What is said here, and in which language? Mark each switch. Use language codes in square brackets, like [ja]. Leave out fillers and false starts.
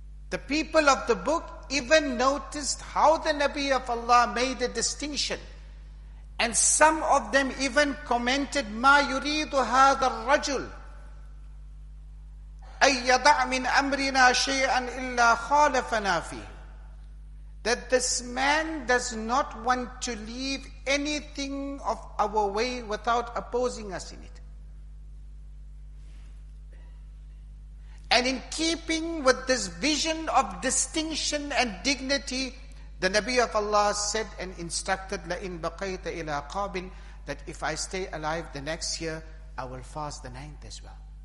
[en] The people of the book even noticed how the Nabi of Allah made a distinction. And some of them even commented, [ar] مَا يُرِيدُ هَذَا الرَّجُلُ أَن يَضَعْ مِنْ أَمْرِنَا شَيْئًا إِلَّا خَالَفَنَا فِيهِ. [en] That this man does not want to leave anything of our way without opposing us in it. And in keeping with this vision of distinction and dignity, the Nabi of Allah said and instructed, [ar] لَإِن بَقَيْتَ إِلَىٰ قَابٍ, [en] that if I stay alive the next year, I will fast the ninth as well.